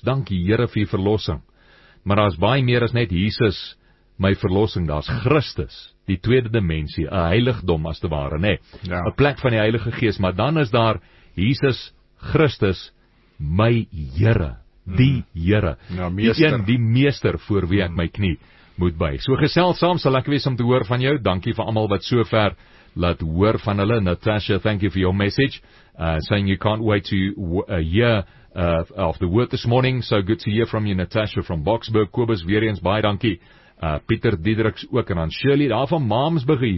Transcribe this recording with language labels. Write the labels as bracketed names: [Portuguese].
[Afrikaans] Dankie Here vir die verlossing. Maar daar's baie meer as net Jesus my verlossing. Daar's Christus, die tweede dimensie, 'n heiligdom as te ware, nê? 'n Plek van die Heilige Gees, maar dan is daar Jesus Christus, my Here, die Here. Ja, meester. Die meester voor wie ek my knie moet buig. So gesels saam, sal ek wees om te hoor van jou. Dankie vir almal wat sover laat hoor van hulle. [English] Natasha, thank you for your message, saying you can't wait to hear of the word this morning. So good to hear from you, Natasha from Boksburg. [Afrikaans] Kobus, weer eens, baie dankie. Pieter Diedriks ook, en dan Shirley, daar van Malmesbury.